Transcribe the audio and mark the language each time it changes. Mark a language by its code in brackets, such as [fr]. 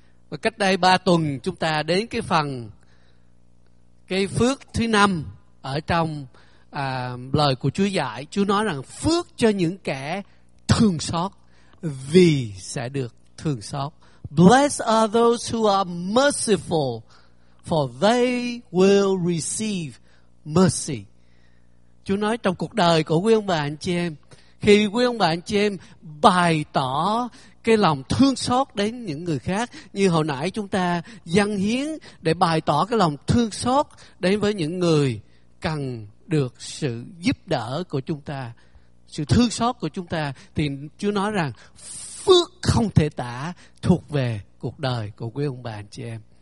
[vi] Và cách đây 3 tuần chúng ta đến cái phần cái phước thứ 5 ở trong lời của Chúa dạy. Chúa nói rằng phước cho những kẻ thương xót, vì sẽ được thương xót. [en] Blessed are those who are merciful, for they will receive mercy. [vi] Chúa nói trong cuộc đời của quý ông bà anh chị em, khi quý ông bà anh chị em bày tỏ cái lòng thương xót đến những người khác, như hồi nãy chúng ta dâng hiến để bày tỏ cái lòng thương xót đến với những người cần được sự giúp đỡ của chúng ta, sự thương xót của chúng ta, thì Chúa nói rằng phước không thể tả thuộc về cuộc đời của quý ông bà anh chị em.